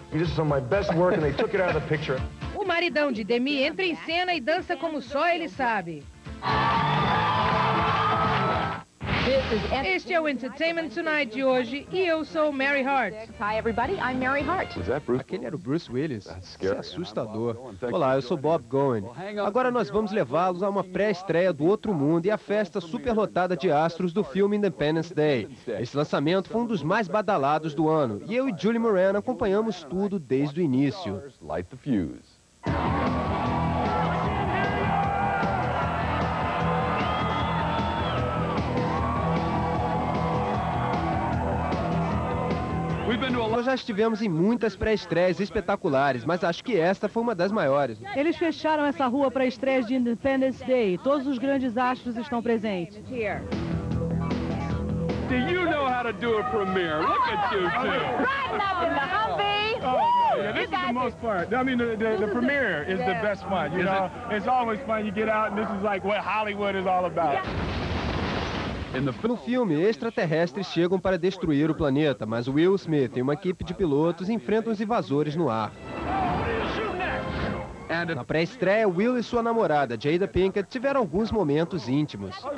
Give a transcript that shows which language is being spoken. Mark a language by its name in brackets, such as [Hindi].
[English] This is some of my best work and they took it out of the picture. [Portuguese] O maridão de Demi entra em cena e dança como só ele sabe. Este é o Entertainment Tonight de hoje e eu sou Mary Hart. [English] Hi everybody, I'm Mary Hart. Was that Bruce? [Portuguese] Aquele era o Bruce Willis. Que assustador. Olá, eu sou Bob Gowen. Agora nós vamos levá-los a uma pré-estreia do Outro Mundo e a festa superlotada de astros do filme Independence Day. Esse lançamento foi um dos mais badalados do ano e eu e Julie Moran acompanhamos tudo desde o início. [English] Light the fuse. [Portuguese] Nós já estivemos em muitas pré-estreias espetaculares, mas acho que esta foi uma das maiores. Eles fecharam essa rua para a estreia de Independence Day. Todos os grandes astros estão presentes. [English] Do you know how to do a premiere? Look at you two. This is the most fun. I mean, the premiere is the best one. You know, it's always fun. You get out and this is like what Hollywood is all about. [Portuguese] No filme, extraterrestres chegam para destruir o planeta, mas Will Smith e uma equipe de pilotos enfrentam os invasores no ar. Na pré-estreia, Will e sua namorada, Jada Pinkett, tiveram alguns momentos íntimos.